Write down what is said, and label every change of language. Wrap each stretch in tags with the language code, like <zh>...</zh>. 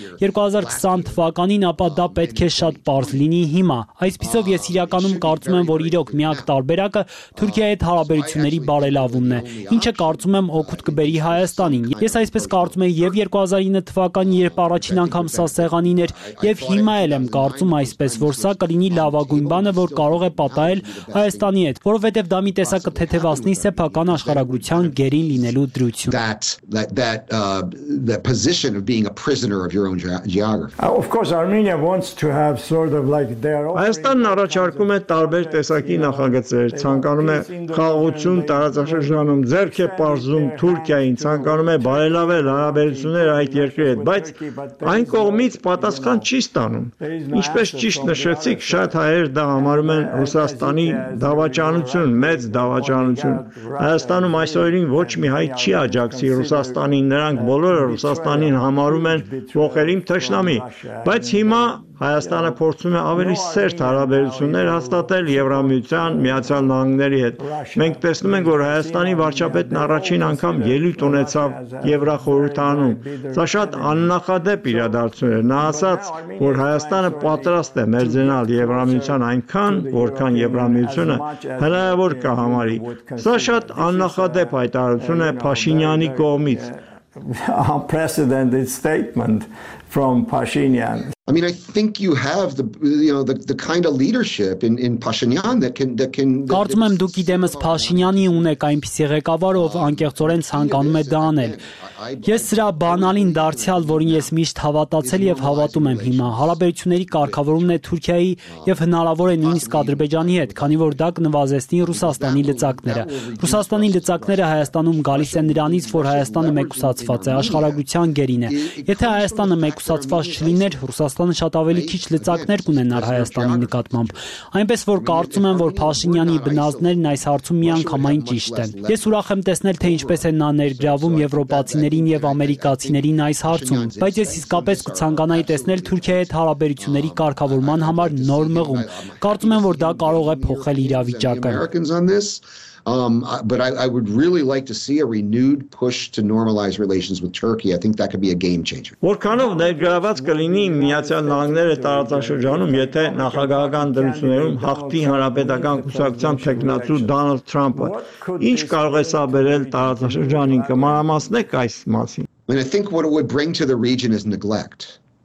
<hy>2020 թվականին, ապա դա պետք է շատ պարզ լինի հիմա։ Այսպիսով ես իրականում կարծում եմ, որ իրոք միակ տարբերակը Թուրքիայի հետ հարաբերությունների բարելավումն է, ինչը կարծում եմ օգուտ կբերի Հայաստանին։ Ես այսպես կարծում եմ եւ 2009 թվականին, երբ առաջին անգամ սա սեղանին էր, եւ հիմա էլ եմ կարծում այսպես, որ սա կլինի լավագույն բանը, որ կարող է պատահել Հայաստանի հետ, որովհետեւ դա մի տեսակը թեթևացնի սեփական աշխարհագրության գերին լինելու դրություն։</hy> <en>The position of being a prisoner of your own geography. Of course Armenia wants to have sort of like their own.</en> <hy>Հայաստանն առաջարկում է տարբեր տեսակի նախագծեր, ցանկանում է խաղաղություն տարածաշրջանում, ձեռք է պարզում Թուրքիային, ցանկանում է բարելավել հարաբերությունները այդ երկրի հետ, բայց այն կողմից պատասխան չի ստանում։ Ինչպես ճիշտ նշեցիք, շատ հայեր դա համարում են Ռուսաստանի դավաճանություն, մեծ դավաճանություն։ Հայաստանում այսօրին ոչ մի հայ չի աջակցի Ռուսաստանին, նրանք բոլորը Ռուսաստանին համարում են փոխերիմ թշնամի, բայց հիմա Հայաստանը փորձում է ավելի սերտ հարաբերություններ հաստատել Եվրամիության, Միացյալ Նահանգների հետ։ Մենք տեսնում ենք, որ Հայաստանի վարչապետն առաջին անգամ ելույթ ունեցավ Եվրախորհրդանում։ Սա շատ աննախադեպ իրադարձություն է։ Նա ասաց, որ Հայաստանը պատրաստ է մերձենալ Եվրամիության այնքան, որքան Եվրամիությունը հնարավոր կհամարի։ Սա շատ աննախադեպ հայտարարություն է Փաշինյանի կողմից։</hy> <en>Unprecedented statement from Pashinyan. I mean, I think you have the kind of leadership in Pashinyan that can.</en> <hy>Կարծում եմ, դուք իդեմս Փաշինյանի ունեք այնպիսի ղեկավար, ով անկեղծորեն ցանկանում է դա անել։ Ես սրա բանալին դարձյալ, որին ես միշտ հավատացել եւ հավատում եմ հիմա, հարաբերությունների կարգավորումն է Թուրքիայի եւ հնարավոր է նույնիսկ Ադրբեջանի հետ, քանի որ դա կնվազեցնի Ռուսաստանի լծակները։ Ռուսաստանի լծակները Հայաստանում գալիս են նրանից, որ Հայաստանը մեկուսացված է աշխարհագրության գերին։ Եթե Հայաստանը մեկուսացված չլիներ, Ռուսաստանը շատ ավելի քիչ լծակներ կունենար Հայաստանի նկատմամբ, այնպես որ կարծում եմ, որ Փաշինյանի բնազդներն այս հարցում միանգամայն ճիշտ են։ Ես ուրախ եմ տեսնել, թե ինչպես են նա ներգրավում եվրոպացիներին եւ ամերիկացիներին այս հարցում, բայց ես իսկապես կցանկանայի տեսնել Թուրքիայի հետ հարաբերությունների կարգավորման համար նոր մղում։ Կարծում եմ, որ դա կարող է փոխել իրավիճակը։</hy> <en>But I would really like to see a renewed push to normalize relations with Turkey. I think that could be a game changer. What kind of</en> <hy>ներգրավված կլինի Միացյալ Նահանգների տարածաշրջանում, եթե նախագահական դրություններում հաղթի հանրապետական կուսակցության թեկնածու Դոնալդ Թրամփը? Ինչ կարող է սա բերել տարածաշրջանին? Կմանրամասնեք այս մասին.</hy> <en>And I think what it would bring to the region is neglect.</en>